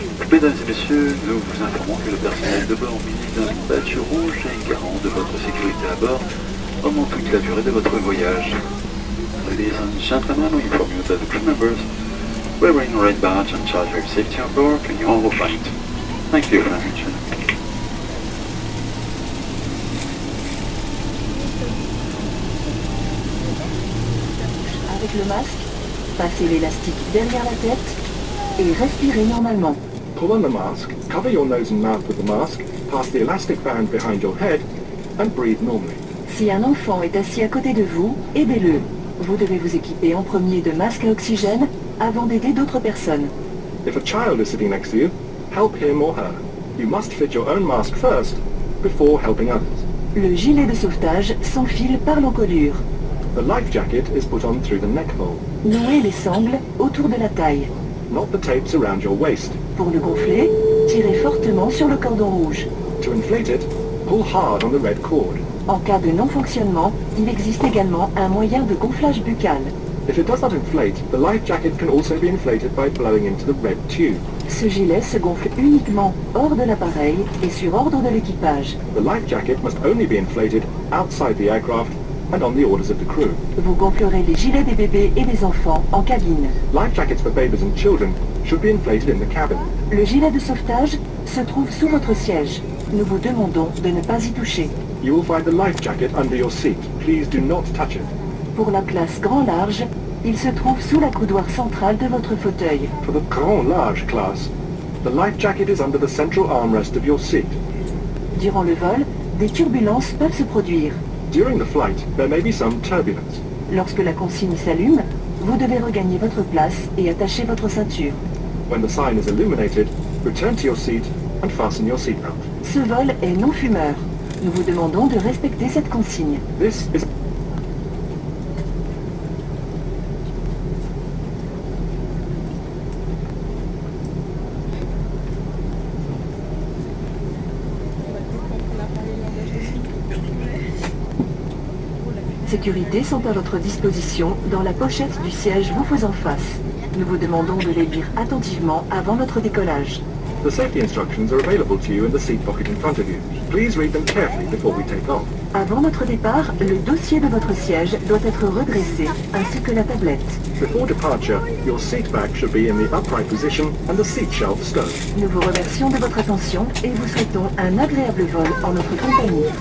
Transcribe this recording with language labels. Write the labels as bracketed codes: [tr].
[fr] Mesdames et messieurs, nous vous informons que le personnel de bord muni d'un badge rouge est garant de votre sécurité à bord pendant toute la durée de votre voyage. [en] Ladies and gentlemen, we inform you that the crew members wearing red badge and charge of safety on board can you all find. Thank you very much. [fr] Avec le masque, passez l'élastique derrière la tête et respirez normalement. [en] pull on the mask, cover your nose and mouth with the mask, pass the elastic band behind your head, and breathe normally. [fr] Si un enfant est assis à côté de vous, aidez-le. Vous devez vous équiper en premier de masques à oxygène avant d'aider d'autres personnes. [en] If a child is sitting next to you, help him or her. You must fit your own mask first before helping others. [fr] Le gilet de sauvetage s'enfile par l'encolure. [en] The life jacket is put on through the neck hole. [fr] Nouez les sangles autour de la taille. [en] Not the tapes around your waist. [fr] Pour le gonfler, tirez fortement sur le cordon rouge. [en] To inflate it, pull hard on the red cord. [fr] En cas de non-fonctionnement, il existe également un moyen de gonflage buccal. [en] If it does not inflate, the life jacket can also be inflated by blowing into the red tube. [fr] Ce gilet se gonfle uniquement hors de l'appareil et sur ordre de l'équipage. [en] The life jacket must only be inflated outside the aircraft and on the orders of the crew. [fr] Vous gonflerez les gilets des bébés et des enfants en cabine. [en] Life jackets for babies and children should be inflated in the cabin. [fr] Le gilet de sauvetage se trouve sous votre siège. Nous vous demandons de ne pas y toucher. [en] You will find the life jacket under your seat. Please do not touch it. [fr] Pour la place grand large, il se trouve sous la coudoir centrale de votre fauteuil. [en] For the grand large class, the life jacket is under the central armrest of your seat. [fr] Durant le vol, des turbulences peuvent se produire. [en] During the flight, there may be some turbulence. [fr] Lorsque la consigne s'allume, vous devez regagner votre place et attacher votre ceinture. [en] When the sign is illuminated, return to your seat and fasten your seatbelt. [fr] Ce vol est non fumeur. Nous vous demandons de respecter cette consigne. [en] This is [fr] sécurité sont à votre disposition dans la pochette du siège vous faisant face. Nous vous demandons de les lire attentivement avant votre décollage. [en] The safety instructions are available to you in the seat pocket in front of you. Please read them carefully before we take off. [fr] Avant notre départ, le dossier de votre siège doit être redressé ainsi que la tablette. [en] Before departure, your seat back should be in the upright position and the seat shelf stowed. [fr] Nous vous remercions de votre attention et vous souhaitons un agréable vol en notre compagnie.